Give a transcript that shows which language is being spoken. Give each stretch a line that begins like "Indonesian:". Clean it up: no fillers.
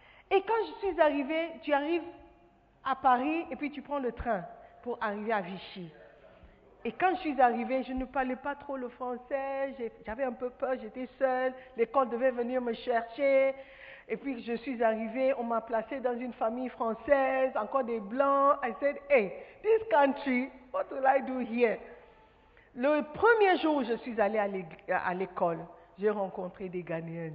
French: Et quand je suis arrivée, tu arrives à Paris et puis tu prends le train pour arriver à Vichy. Et quand je suis arrivée, je ne parlais pas trop le français, j'avais un peu peur, j'étais seule, l'école devait venir me chercher. Et puis je suis arrivée, on m'a placée dans une famille française, encore des blancs.
English: I said, hey, this country, what will I do here?
French: Le premier jour où je suis allée à l'école, j'ai rencontré des Ghanéens.